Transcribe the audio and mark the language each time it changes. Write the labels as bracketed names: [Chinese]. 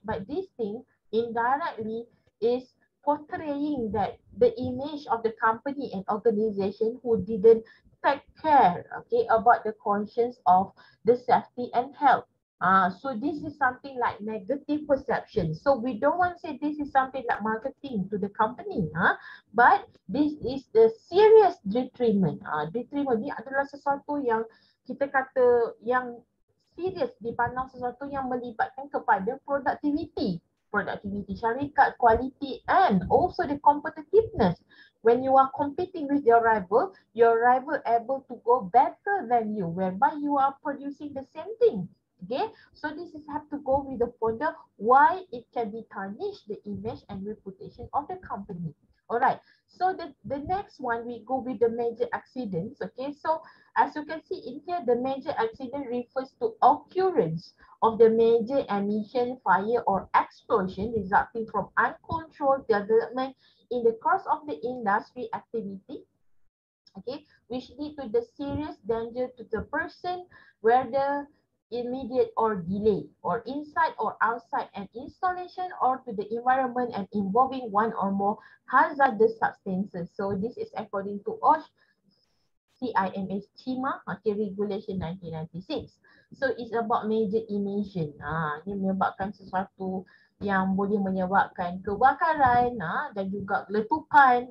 [English] But this thing indirectly is portraying that the image of the company and organization who didn't take care, okay, about the conscience of the safety and health. So this is something like negative perception. So we don't want to say this is something like marketing to the company, but this is the serious detriment. [Malay] Detriment ni adalah sesuatu yang kita kata yang serious dipandang sesuatu yang melibatkan kepada productivity. [English] Productivity syarikat, quality and also the competitiveness. When you are competing with your rival able to go better than you, whereby you are producing the same thing. Okay, so this is have to go with the ponder why it can be tarnished the image and reputation of the company. Alright, so the next one, we go with the major accidents. Okay, so as you can see in here, the major accident refers to occurrence of the major emission, fire or explosion resulting from uncontrolled development in the course of the industry activity. Okay, which lead to the serious danger to the person, whether immediate or delay, or inside or outside an installation, or to the environment and involving one or more hazardous substances. So this is according to OSHA, CIMS, CIMA, okay, regulation 1996. So it's about major emission. [Malay] Ini menyebabkan sesuatu yang boleh menyebabkan kebakaran dan juga letupan.